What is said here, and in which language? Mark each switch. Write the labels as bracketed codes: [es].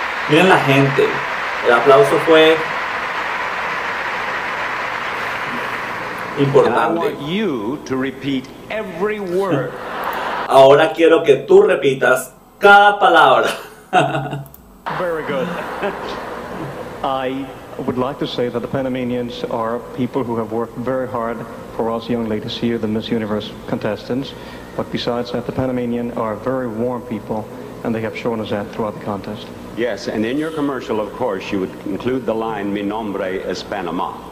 [es] Miren la gente, el aplauso fue importante. [en] You to repeat every word. [es] Ahora quiero que tú repitas cada palabra. [en] Very good. I would like to say that the Panamanians are people who have worked very hard for us young ladies here, the Miss Universe contestants. But besides that, the Panamanian are very warm people, and they have shown us that throughout the contest. Yes, and in your commercial, of course, you would include the line, [es] Mi nombre es Panamá.